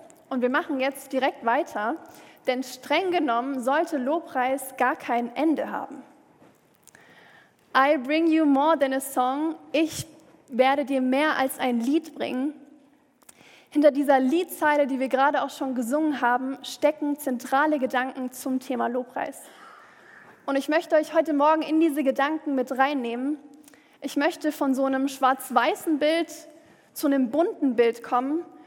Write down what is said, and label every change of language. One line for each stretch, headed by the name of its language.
German: Und wir machen jetzt direkt weiter, denn streng genommen sollte Lobpreis gar kein Ende haben.
English: I bring you more than a song.
German: Ich werde dir mehr als ein Lied bringen. Hinter dieser Liedzeile, die wir gerade auch schon gesungen haben, stecken zentrale Gedanken zum Thema Lobpreis. Und ich möchte euch heute Morgen in diese Gedanken mit reinnehmen. Ich möchte von so einem schwarz-weißen Bild zu einem bunten Bild kommen.